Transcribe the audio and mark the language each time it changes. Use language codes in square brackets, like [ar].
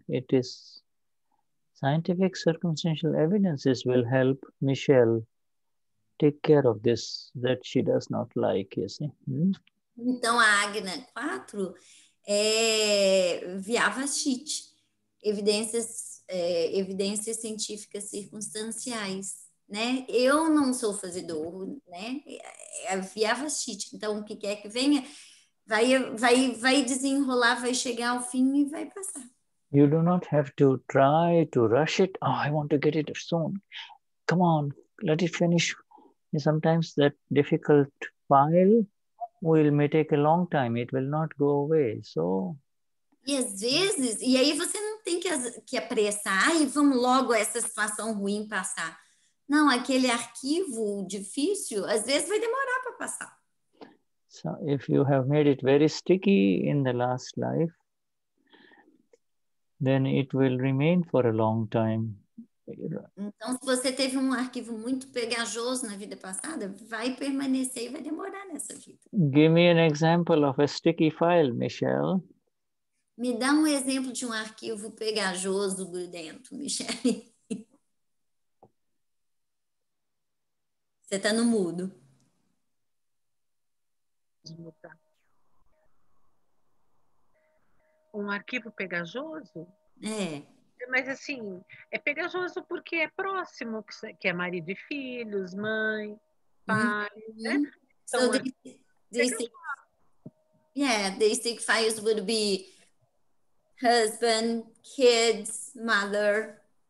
[en] It is scientific circumstantial evidences will help Michelle take care of this that she does not like, you see. [pt] Então, a Agna 4 é viavashit, evidências científicas circunstanciais. Né? Eu não sou fazedor, né? É via vastite. Então, o que quer que venha, vai desenrolar, vai chegar ao fim e vai passar. [en] You do not have to try to rush it. Oh, I want to get it soon. Come on, let it finish. Sometimes that difficult file may take a long time. It will not go away. So. [pt] E às vezes, e aí você não tem que apressar. Ah, e vamos logo essa situação ruim passar. Não, aquele arquivo difícil, às vezes vai demorar para passar. [en] So, if you have made it very sticky in the last life, then it will remain for a long time. [pt] Então, se você teve um arquivo muito pegajoso na vida passada, vai permanecer e vai demorar nessa vida. [en] Give me an example of a sticky file, Michelle. [pt] Me dá um exemplo de um arquivo pegajoso, grudento, Michelle. Você está no mudo. Um arquivo pegajoso? É. Mas, assim, é pegajoso porque é próximo, que é marido e filhos, mãe, pai, uhum. Né? [en] Então, so these files would be husband, kids, mother,